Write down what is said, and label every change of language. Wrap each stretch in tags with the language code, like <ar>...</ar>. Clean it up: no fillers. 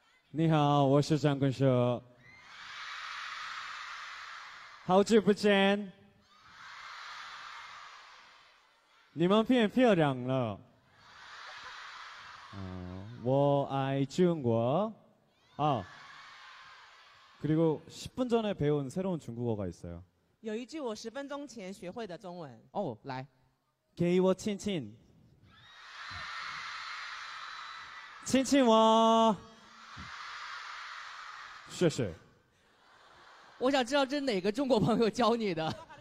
<zh>你好，我是张根硕，好久不见，你们变漂亮了。我爱中国。</zh> <ko>아그리고10분전에배운새로운중국어가있어요</ko> <zh>有一句我十分钟前学会的中文哦来给我亲亲亲亲我谢谢我想知道这是哪个中国朋友教你的</zh>